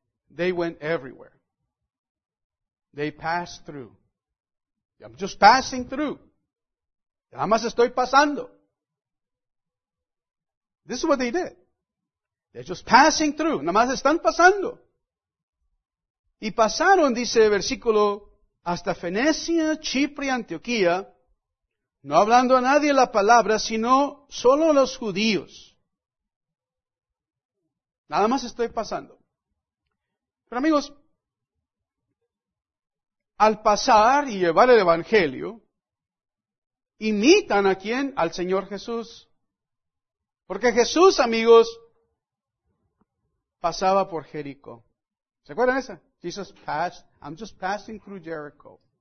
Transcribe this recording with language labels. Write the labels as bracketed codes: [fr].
[en] They went everywhere. They passed through. I'm just passing through. [es] Nada más estoy pasando. [en] This is what they did. They're just passing through. [es] Nada más están pasando. Y pasaron, dice el versículo, hasta Fenicia, Chipre y Antioquía, no hablando a nadie la palabra, sino solo a los judíos. Nada más estoy pasando. Pero amigos, al pasar y llevar el Evangelio, ¿imitan a quién? Al Señor Jesús. Porque Jesús, amigos, pasaba por Jericó. ¿Se acuerdan esa? [en] Jesus passed, I'm just passing through Jericho.